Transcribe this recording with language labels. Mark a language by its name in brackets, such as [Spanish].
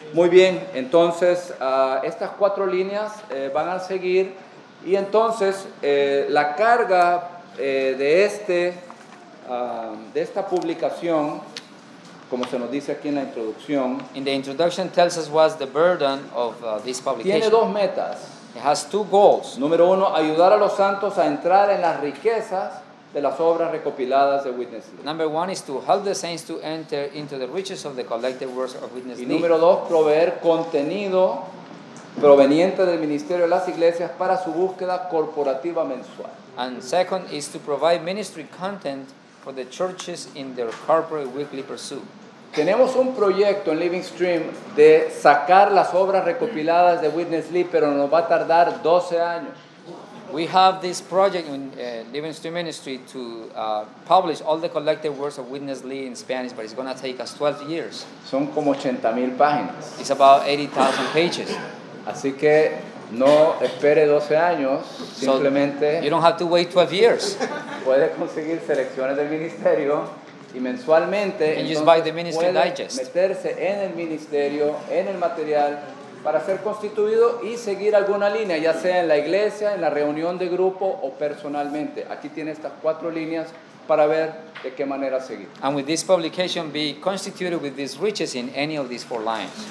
[Spanish] Muy bien. Entonces, estas cuatro líneas van a seguir. Y entonces, la carga de esta publicación, como se nos dice aquí en la introducción, [English] in the introduction tells us what's the burden of this publication. [Spanish] Tiene dos metas. [English] It has two goals. [Spanish] Número uno, ayudar a los santos a entrar en las riquezas de las obras recopiladas de Witness Lee. [English] Number one is to help the saints to enter into the riches of the collected works of Witness Lee. [Spanish] Y número dos, proveer contenido proveniente del ministerio de las iglesias para su búsqueda corporativa mensual. [English] And second is to provide ministry content for the churches in their corporate weekly pursuit. [Spanish] Tenemos un proyecto en Living Stream de sacar las obras recopiladas de Witness Lee, pero nos va a tardar 12 años. [English] We have this project in Living Stream Ministry to publish all the collected works of Witness Lee in Spanish, but it's going to take us 12 years. [Spanish] Son como 80,000 páginas. [English] It's about 80,000 pages. [Spanish] Así que no espere 12 años, simplemente. [English] So you don't have to wait 12 years. [Spanish] Puede conseguir selecciones del ministerio y mensualmente [English] and just buy the ministry digest. [Spanish] Meterse en el ministerio, en el material, para ser constituido y seguir alguna línea, ya sea en la iglesia, en la reunión de grupo o personalmente. Aquí tiene estas cuatro líneas para ver de qué manera seguir. [English] And with this publication, be constituted with these riches in any of these four lines.